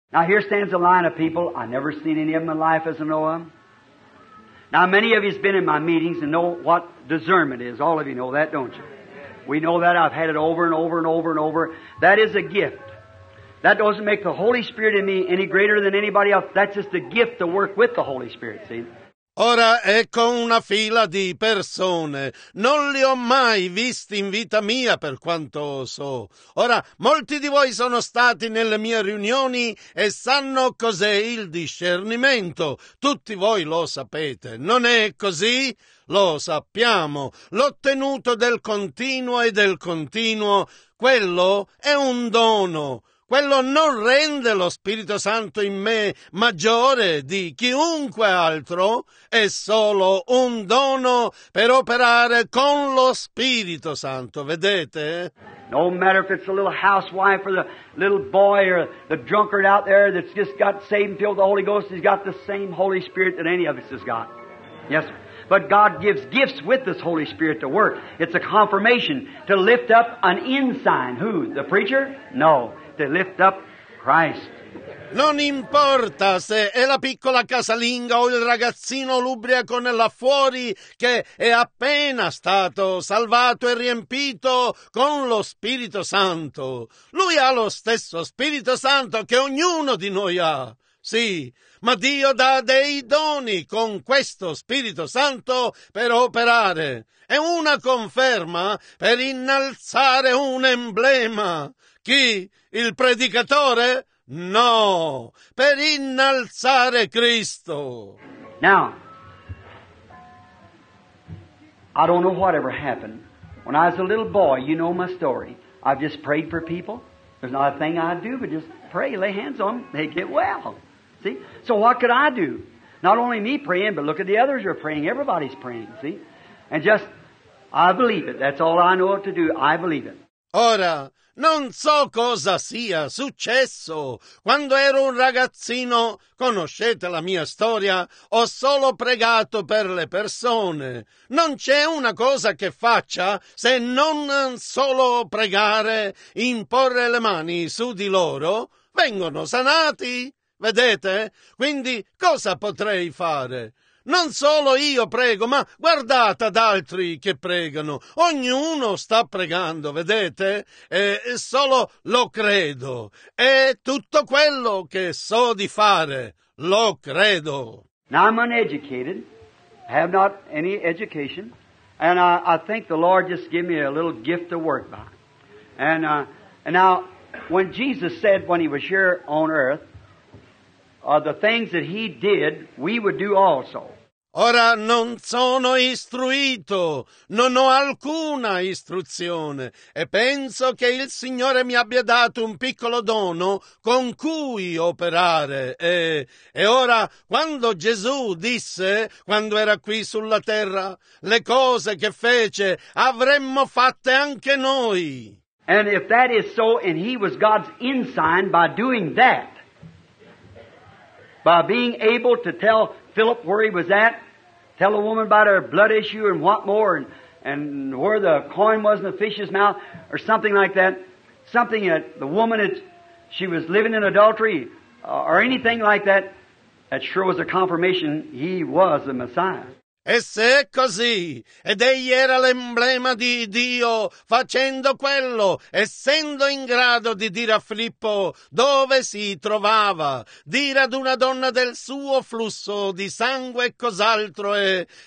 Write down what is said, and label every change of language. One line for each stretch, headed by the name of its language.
English: Now here stands a line of people. I never seen any of them in life as I know them. Now many of you have been in my meetings and know what discernment is. All of you know that, don't you? We know that. I've had it over and over and over and over. That is a gift. That doesn't make the Holy Spirit in me any greater than anybody else. That's just a gift to work with the Holy Spirit, see?
Italian: Ora ecco una fila di persone. Non li ho mai visti in vita mia, per quanto so. Ora, molti di voi sono stati nelle mie riunioni e sanno cos'è il discernimento. Tutti voi lo sapete. Non è così? Lo sappiamo. L'ho tenuto del continuo e del continuo. Quello è un dono. Quello non rende lo Spirito Santo in me maggiore di chiunque altro, è solo un dono per operare con lo Spirito Santo, vedete?
English: No matter if it's a little housewife or the little boy or the drunkard out there that's just got saved and filled with the Holy Ghost, he's got the same Holy Spirit that any of us has got. Yes, sir. But God gives gifts with this Holy Spirit to work. It's a confirmation to lift up an ensign. Who? The preacher? No. To lift up Christ.
Italian: Non importa se è la piccola casalinga o il ragazzino lubriaco nella fuori che è appena stato salvato e riempito con lo Spirito Santo. Lui ha lo stesso Spirito Santo che ognuno di noi ha. Sì, ma Dio dà dei doni con questo Spirito Santo per operare. È una conferma per innalzare un emblema. Chi? Il predicatore? No, per innalzare Cristo.
English: Now, I don't know whatever happened. When I was a little boy, you know my story. I've just prayed for people. There's not a thing I do but just pray, lay hands on them, they get well. See? So what could I do? Not only me praying, but look at the others who are praying. Everybody's praying, see? And just, I believe it. That's all I know what to do. I believe it.
Italian: Ora, non so cosa sia successo. Quando ero un ragazzino, conoscete la mia storia, ho solo pregato per le persone. Non c'è una cosa che faccia se non solo pregare, imporre le mani su di loro, vengono sanati. Vedete? Quindi cosa potrei fare? Non solo io prego, ma guardate ad altri che pregano. Ognuno sta pregando, vedete? E solo lo credo. È tutto quello che so di fare. Lo credo.
English: Now I'm uneducated. I have not any education. And I think the Lord just gave me a little gift to work by. And now, when Jesus said when he was here on earth, the things that he did, we would do also.
Italian: Ora non sono istruito, non ho alcuna istruzione, e penso che il Signore mi abbia dato un piccolo dono con cui operare. E ora, quando Gesù disse, quando era qui sulla terra, le cose che fece, avremmo fatte anche noi.
English: And if that is so, and he was God's ensign by doing that, by being able to tell Philip where he was at, tell a woman about her blood issue and what more, and where the coin was in the fish's mouth, or something like that. Something that the woman, had, she was living in adultery, or anything like that, that sure was a confirmation he was the Messiah.
Italian: E se è così, ed egli era l'emblema di Dio, facendo quello, essendo in grado di dire a Filippo dove si trovava, dire ad una donna del suo flusso di sangue e cos'altro e